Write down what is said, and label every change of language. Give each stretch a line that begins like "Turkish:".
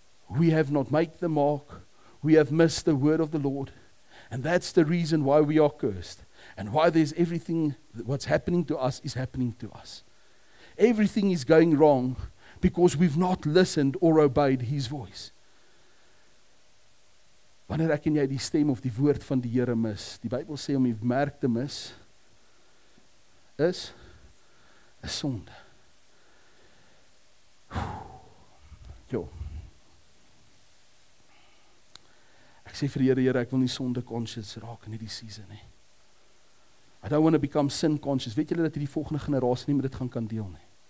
English: We have not made the mark, we have missed the word of the Lord, and that's the reason why we are cursed, and why there's everything, what's happening to us is happening to us. Everything is going wrong, because we've not listened or obeyed his voice.
Afrikaans: Wanneer ek en jy die stem of die woord van die Here mis, die Bybel sê om die merk te mis, is 'n sonde. Jo. Ek sê vir die Here, ek wil nie sonde conscious raak in hierdie season nie.
English: I don't want to become sin conscious.
Afrikaans: Weet julle dat hierdie volgende generasie nie met dit gaan kan deel nie?